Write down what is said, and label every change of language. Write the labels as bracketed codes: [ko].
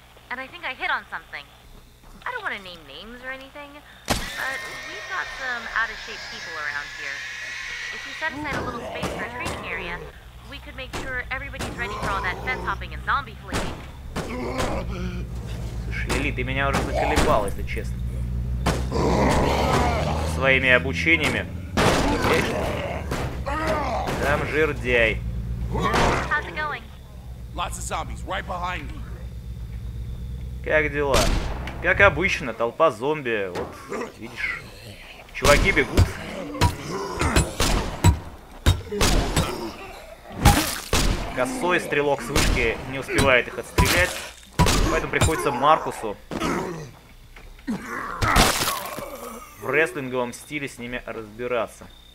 [en] And I think I hit on something. I don't want to name names or anything, but we've got some out-of-shape people around here. If we set aside a little space for a training area, we could make sure everybody's ready for all that fence-hopping and zombie fleeing. [ru] Слушай, Лили, ты меня уже заколебал, если честно. Своими обучениями. Там жирдяй. [en] How's it going? Lots of zombies right behind me. [ru] Как дела? Как обычно, толпа зомби. Вот, видишь, чуваки бегут. Косой стрелок с вышки не успевает их отстрелять. Поэтому приходится Маркусу в рестлинговом стиле с ними разбираться.